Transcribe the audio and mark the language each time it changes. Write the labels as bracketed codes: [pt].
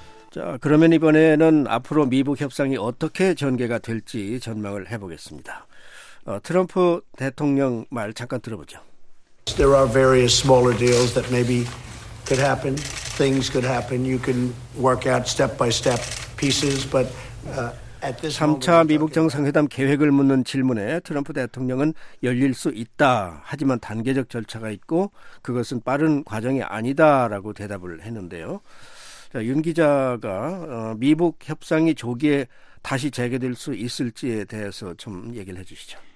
[ko] 자, 그러면 이번에는 앞으로 미북 협상이 어떻게 전개가 될지 전망을 해보겠습니다. 트럼프 대통령 말 잠깐 들어보죠. [en] There are various smaller deals that maybe could happen. Things could happen. You can work out step by step pieces, but at this moment. [ko] 3차 미북 정상회담 계획을 묻는 질문에 트럼프 대통령은 열릴 수 있다. 하지만 단계적 절차가 있고 그것은 빠른 과정이 아니다라고 대답을 했는데요. 자, 윤 기자가 미북 협상이 조기에 다시 재개될 수 있을지에 대해서 좀 얘기를 해 주시죠.